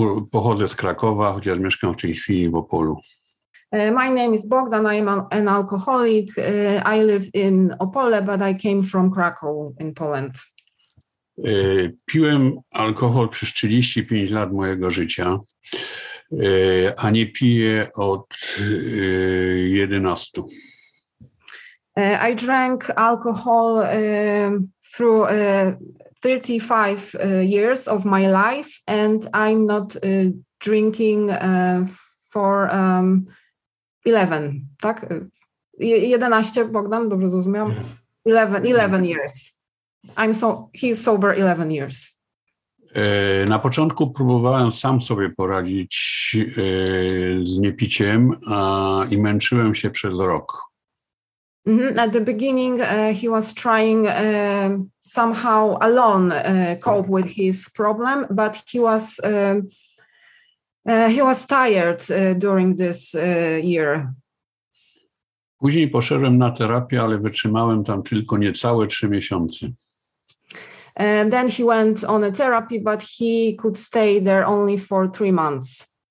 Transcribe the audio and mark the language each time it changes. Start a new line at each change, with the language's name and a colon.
Polish: Pochodzę z Krakowa, chociaż mieszkam w tej chwili w Opolu.
English: My name is Bogdan. I am an alcoholic. I live in Opole, but I came from Krakow in Poland.
Polish: Piłem alkohol przez 35 lat mojego życia, a nie piję od 11.
English: I drank alcohol through 35 years of my life, and I'm not drinking for 11, tak?
Polish: 11, Bogdan, dobrze zrozumiałam?
English: 11 years. He's sober 11 years.
Polish: Na początku próbowałem sam sobie poradzić z niepiciem i męczyłem się przez rok. Mm-hmm.
English: At the beginning he was trying somehow alone cope with his problem, but he was tired during this year.
Polish: Później poszedłem na terapię, ale wytrzymałem tam tylko niecałe 3 miesiące.
English: And then he went on a therapy, but he could stay there only for 3 months.